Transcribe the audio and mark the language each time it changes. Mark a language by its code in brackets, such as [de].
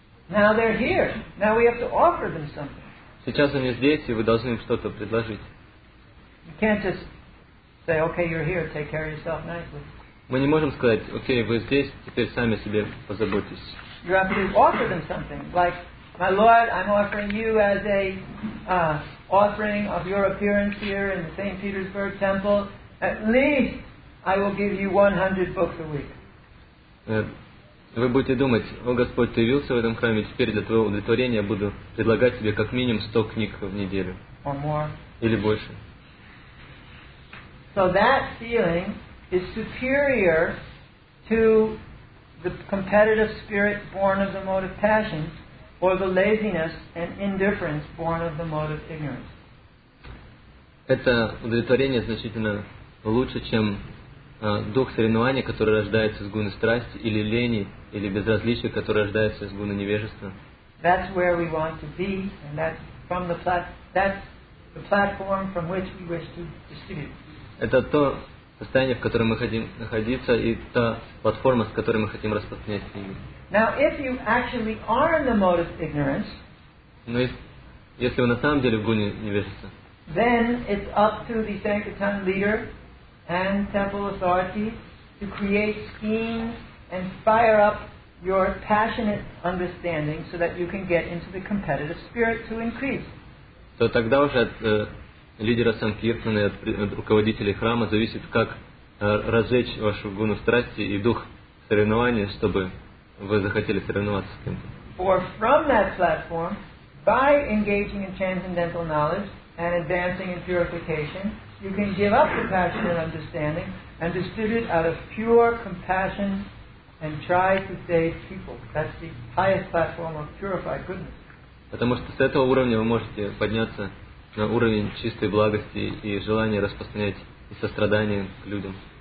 [en] Now they're here. Now we have to offer them something. [ru] Сейчас они здесь, и вы должны им что-то предложить. [en] You can't just say, okay, you're here, take care of yourself nicely. [ru] Мы не можем сказать, окей, вы здесь, теперь сами о себе позаботьтесь. [en] You have to offer them something. Like, my Lord, I'm offering you as a offering of your appearance here in the St. Petersburg Temple. At least I will give you 100 books a week. [ru] Вы будете думать, о Господь, ты явился в этом храме, теперь для твоего удовлетворения я буду предлагать тебе как минимум 100 книг в неделю. [en] Or more. [ru] Или больше. [en] So that feeling is superior to the competitive spirit born of the mode of passion, or the laziness and indifference born of the mode of ignorance. [ru] Это удовлетворение значительно лучше, чем дух соревнования, который рождается из гуны страсти, или лени, или безразличия, которое рождается из гуны невежества. [en] That's where we want to be, and that's from the that's the platform from which we wish to distribute. [ru] Это то состояние, в котором мы хотим находиться, и та платформа, с которой мы хотим распространять книги. [en] Now, if you actually are in the mode of ignorance, [ru] но если вы на самом деле в гуне невежества, [en] then it's up to the sankirtan leader and temple authorities to create schemes and fire up your passionate understanding so that you can get into the competitive spirit to increase. [ru] То тогда уже от лидера санкиртаны, от руководителей храма зависит, как разжечь вашу гуну страсти и дух соревнования, чтобы вы захотели соревноваться с кем-то. [en] Or from that platform, by engaging in transcendental knowledge and advancing in purification, you can give up the passionate understanding and distribute out of pure compassion and try to save people. That's the highest platform of purified goodness. [ru] Потому что с этого уровня вы можете подняться на уровень чистой благости и желания распространять сострадание к людям.